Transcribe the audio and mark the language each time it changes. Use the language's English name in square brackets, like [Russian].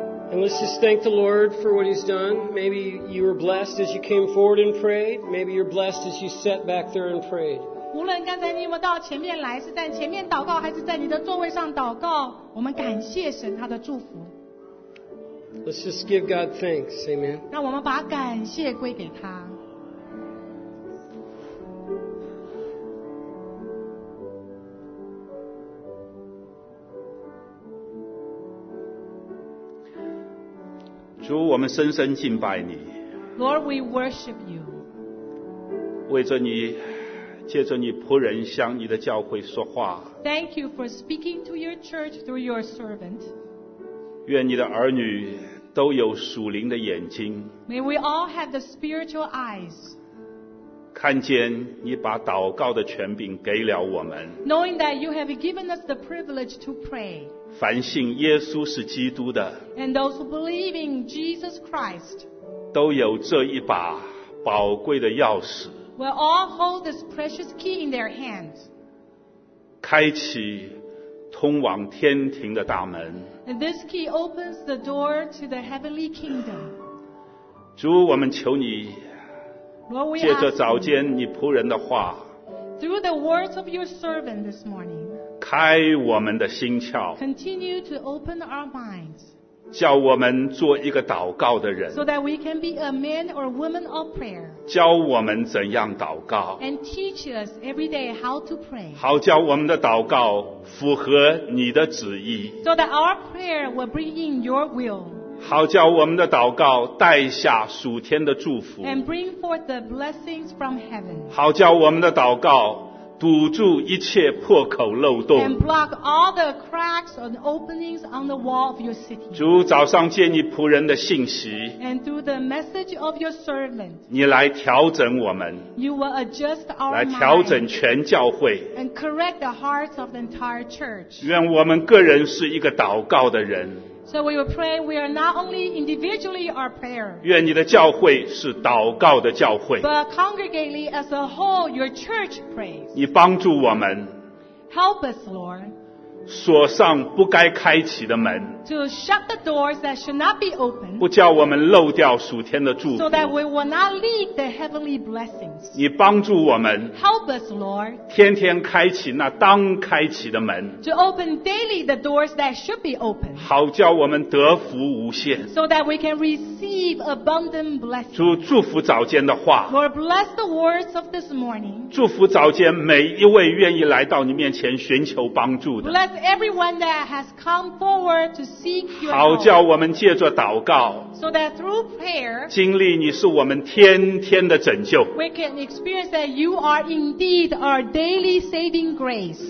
[English] And let's just thank the Lord for what He's done. Maybe you were blessed as you came forward and prayed. Maybe you're blessed as you sat back there and prayed. [Chinese] 无论刚才你有没有到前面来，是在前面祷告，还是在你的座位上祷告，我们感谢神他的祝福。 [English] Let's just give God thanks. Amen. [Chinese] 让我们把感谢归给他。主，我们深深敬拜你。 [English] Lord, we worship you. [Chinese] 为着你，借着你仆人向你的教会说话。 [English] Thank you for speaking to your church through your servant. [Chinese] 愿你的儿女都有属灵的眼睛。 [English] May we all have the spiritual eyes. [Chinese] 看见你把祷告的权柄给了我们。 [English] Knowing that you have given us the privilege to pray. [Chinese] 凡信耶稣是基督的 [English] and those who believe in Jesus Christ [Chinese] 都有这一把宝贵的钥匙 [English] will all hold this precious key in their hands [Chinese] 开启通往天庭的大门 [English] and this key opens the door to the heavenly kingdom [Chinese] 主我们求你 [English] Lord, we [Chinese] 借着早间你仆人的话 [English] through the words of your servant this morning [Chinese] 开我们的心窍 [English] Continue to open our minds, [Chinese] 叫我们做一个祷告的人 [English] so that we can be a man or woman of prayer, [Chinese] 教我们怎样祷告 [English] and teach us every day how to pray, [Chinese] 好叫我们的祷告符合你的旨意 [English] so that our prayer will bring in your will, [Chinese] 好叫我们的祷告带下属天的祝福 [English] and bring forth the blessings from heaven, [Chinese] 好叫我们的祷告堵住一切破口漏洞 [English] and block all the cracks and openings on the wall of your city [Chinese] 主早上借你仆人的信息 [English] and through the message of your servant [Chinese] 你来调整我们 [English] you will adjust our mind [Chinese] 来调整全教会 [English] and correct the hearts of the entire church [Chinese] 愿我们个人是一个祷告的人 [English] so we will pray we are not only individually our prayer [Chinese] 愿你的教会是祷告的教会 [English] but congregately as a whole your church prays [Chinese] 你帮助我们 [English] help us Lord [Chinese] 锁上不该开启的门 [English] to shut the doors that should not be opened [Chinese] 不叫我们漏掉属天的祝福 [English] so that we will not leak the heavenly blessings [Chinese] 你帮助我们 [English] help us Lord [Chinese] 天天开启那当开启的门 [English] to open daily the doors that should be opened [Chinese] 好叫我们得福无限 [English] so that we can receive abundant blessings [Chinese] 主祝福早间的话 [English] Lord bless the words of this morning [Chinese] 祝福早间每一位愿意来到你面前寻求帮助的 [English] bless everyone that has come forward to seek your help [Chinese] 好叫我们借着祷告 [English] so that through prayer [Chinese] 经历你是我们天天的拯救 [English] we canexperience that you are indeed our daily saving grace.